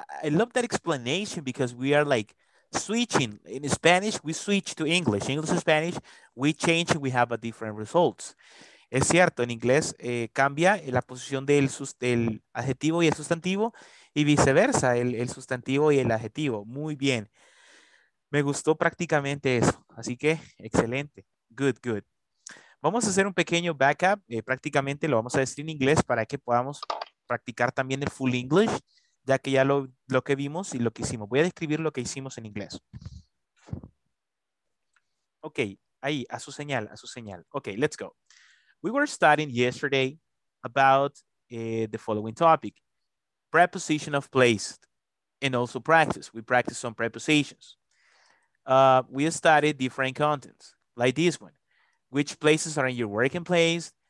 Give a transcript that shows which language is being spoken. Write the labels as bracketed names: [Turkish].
[English] I love that explanation because we are like, switching in Spanish, we switch to English. English to Spanish, we change and we have a different results. [Spanish] Es cierto, en inglés cambia la posición del adjetivo y el sustantivo y viceversa, el sustantivo y el adjetivo. Muy bien. Me gustó prácticamente eso. Así que, excelente. [English] Good, good. [Spanish] Vamos a hacer un pequeño backup. Prácticamente lo vamos a decir en inglés para que podamos practicar también el full English, ya que ya lo que vimos y lo que hicimos. Voy a describir lo que hicimos en inglés. Ok, ahí, a su señal, a su señal. [English] Ok, let's go. We were studying yesterday about the following topic. Preposition of place and also practice. We practiced some prepositions. We studied different contents like this one. Which places are in your working place?